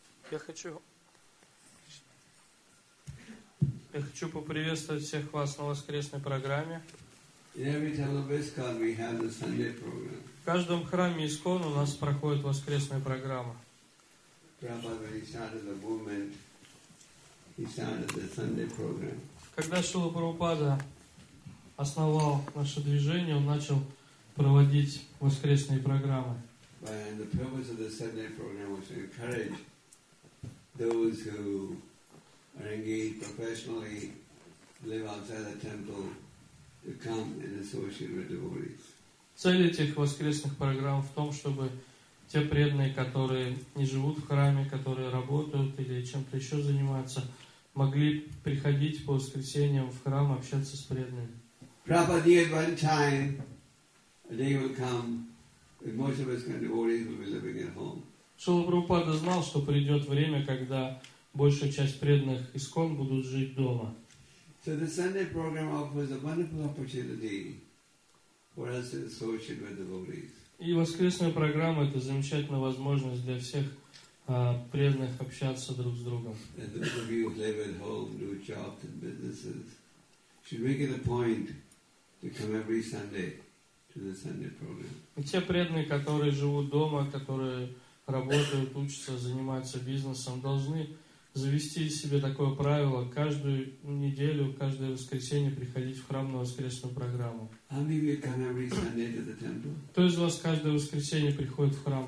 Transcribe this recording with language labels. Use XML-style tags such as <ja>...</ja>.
<ru>Я хочу поприветствовать всех вас на воскресной программе.</ru> <en>In every temple of ISKCON we have the Sunday program.</en> <ru>В каждом храме ИСККОН у нас проходит воскресная программа. Когда Шрила Прабхупада основал наше движение, он начал проводить воскресные программы.</ru> <en>And the purpose of the Sunday program was to encourage those who are engaged professionally, live outside the temple, to come and associate with devotees.</en> <ru>Цель этих воскресных программ в том, чтобы те преданные, которые не живут в храме, которые работают или чем-то еще занимаются, могли приходить по воскресеньям в храм, общаться с преданными.</ru> <en>Prabhupada said one time, a day will come when most of us kind of devotees will be living at home.</en> <ru>Шрила Прабхупада знал, что придет время, когда большая часть преданных ИСККОН будут жить дома.</ru> <en>So the Sunday program offers a wonderful opportunity for us to associate with devotees.</en> <ru>И воскресная программа – это замечательная возможность для всех преданных общаться друг с другом.</ru> <en>And those of you who live at home, do jobs and businesses, should make it a point to come every Sunday to the Sunday program.</en> <ru>И те преданные, которые живут дома, которые работают, учатся, занимаются бизнесом, должны завести себе такое правило каждую неделю, каждое воскресенье приходить в храм на воскресную программу. Кто из вас каждое воскресенье приходит в храм?</ru>